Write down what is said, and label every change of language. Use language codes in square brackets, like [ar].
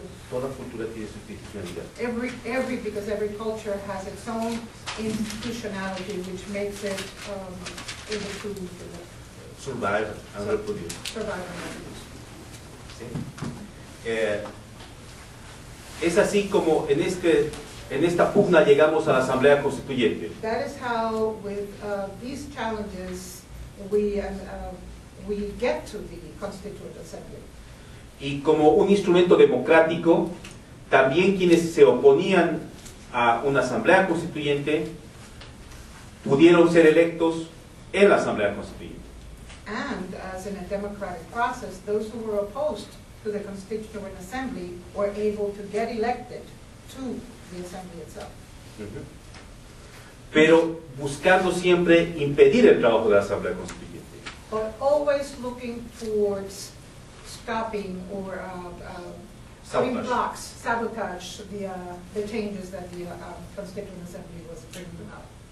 [es] Toda cultura tiene su institucionalidad. [en] Because every culture has its own institutionality, which makes it able to survive and reproduce. Survive and reproduce. [es] ¿Sí? Es así como en esta pugna llegamos a la Asamblea Constituyente. [en] That is how, with these challenges, we get to the Constituent Assembly. [es] Y como un instrumento democrático, también quienes se oponían a una asamblea constituyente pudieron ser electos en la asamblea constituyente. [en] And as in a democratic process, those who were opposed to the constituent assembly were able to get elected to the assembly itself. [es] Pero buscando siempre impedir el trabajo de la asamblea constituyente. [en] But always looking towards stopping or putting blocks, sabotage the changes that the Constituent Assembly was bringing up.